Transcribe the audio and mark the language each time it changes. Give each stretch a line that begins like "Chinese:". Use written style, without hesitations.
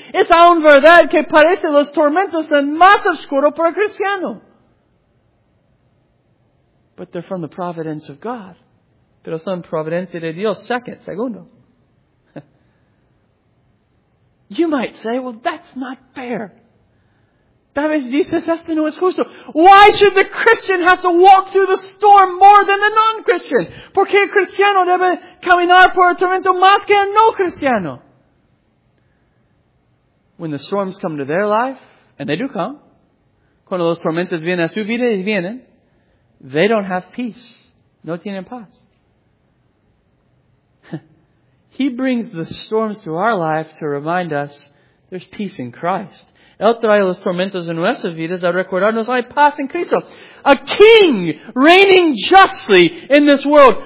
Spanish: Es aún verdad que parece los tormentos son más oscuros para el cristiano.
English: But they're from the providence of God.
Spanish: Pero son providencia de Dios. Segundo.
English: You might say, well, that's not fair.
Spanish: Tal vez dices, esto no es justo.
English: Why should the Christian have to walk through the storm more than the non-Christian?
Spanish: ¿Por qué el cristiano debe caminar por el tormento más que el no cristiano?
English: When the storms come to their life, and they do come,
Spanish: cuando los tormentos vienen a su vida y vienen,
English: they don't have peace.
Spanish: No tienen paz.
English: He brings the storms to our life to remind us there's peace in Christ.
Spanish: Él trae los tormentos en nuestras vidas a recordarnos hay paz en Cristo.
English: A king reigning justly in this world.